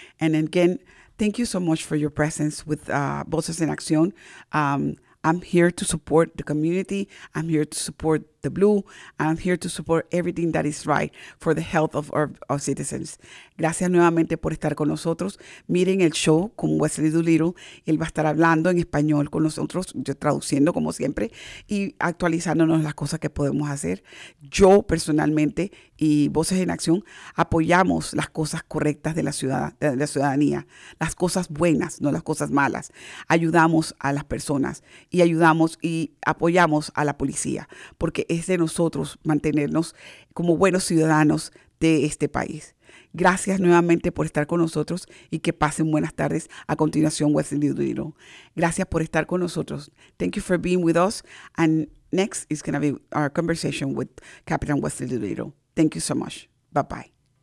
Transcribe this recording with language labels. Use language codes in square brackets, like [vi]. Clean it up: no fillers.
[en] And again, thank you so much for your presence with Voces en Accion. I'm here to support the community. I'm here to support the blue. I'm here to support everything that is right for the health of our citizens. [es] Gracias nuevamente por estar con nosotros. Miren el show con Wesley Doolittle. Él va a estar hablando en español con nosotros, yo traduciendo como siempre, y actualizándonos las cosas que podemos hacer. Yo personalmente y Voces en Accion apoyamos las cosas correctas de la ciudadanía, las cosas buenas, no las cosas malas. Ayudamos a las personas y ayudamos y apoyamos a la policía, porque es de nosotros mantenernos como buenos ciudadanos de este país. Gracias nuevamente por estar con nosotros y que pasen buenas tardes. A continuación, Wesley Doolittle. Gracias por estar con nosotros. [en] Thank you for being with us. And next is going to be our conversation with Captain Wesley Doolittle. Thank you so much. Bye-bye.